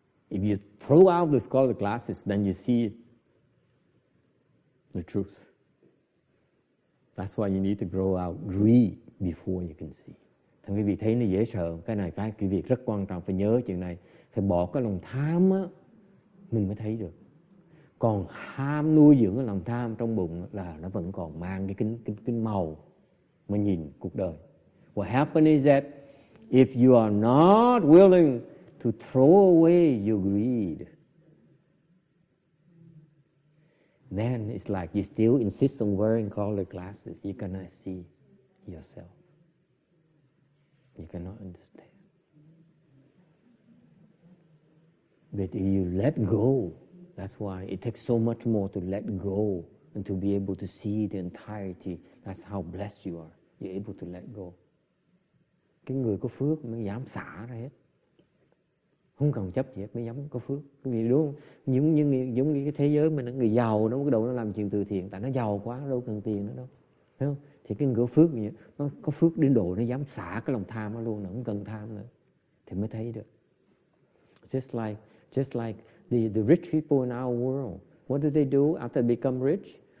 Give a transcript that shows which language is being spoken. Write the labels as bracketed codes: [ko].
[en] If you throw out the colored glasses, then you see the truth. That's why you need to grow out greed before you can see. [vi] Thằng quý vị thấy nó dễ sợ. Cái này cái quý vị rất quan trọng. Phải nhớ chuyện này. Phải bỏ cái lòng tham á, mình mới thấy được. Còn ham nuôi dưỡng cái lòng tham trong bụng là nó vẫn còn mang cái kính màu mà nhìn cuộc đời. [en] What happened is that if you are not willing to throw away your greed, then it's like you still insist on wearing colored glasses. You cannot see yourself. You cannot understand. But if you let go, that's why it takes so much more to let go and to be able to see the entirety. That's how blessed you are. You're able to let go. [vi] Cái người có phước mới dám xả ra hết. Không cần chấp gì hết mới dám có phước. Cái gì đúng không? Giống như cái thế giới mà người giàu nó bắt đầu nó làm chuyện từ thiện. Tại nó giàu quá, nó đâu cần tiền nữa đâu. Thấy không? Thì cái người có phước, nó có phước đến độ nó dám xả cái lòng tham nó luôn. Nó không cần tham nữa. Thì mới thấy được. [en] Just like the rich people in our world. What do they do after they become rich?